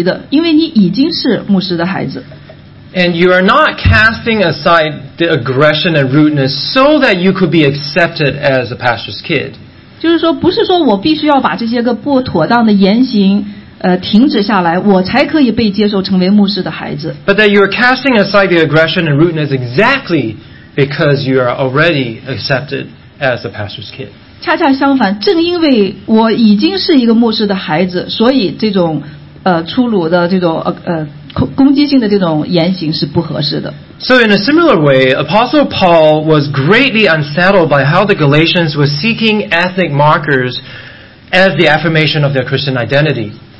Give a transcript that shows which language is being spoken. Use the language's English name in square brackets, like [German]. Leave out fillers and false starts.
[Chinese] 就是因为你是一个牧师的孩子，你那样子攻击性的那样的粗鲁是不合宜的，因为你已经是牧师的孩子。 [English] And you are not casting aside the aggression and rudeness so that you could be accepted as a pastor's kid. [Chinese] 就是说，不是说我必须要把这些个不妥当的言行。停止下来，我才可以被接受成为牧师的孩子。 [English] But that you are casting aside the aggression and rudeness exactly because you are already accepted as a pastor's kid. [Chinese] 恰恰相反，正因为我已经是一个牧师的孩子，所以这种粗鲁的这种攻击性的这种言行是不合适的。 [English] So in a similar way, Apostle Paul was greatly unsettled by how the Galatians were seeking ethnic markers as the affirmation of their Christian identity.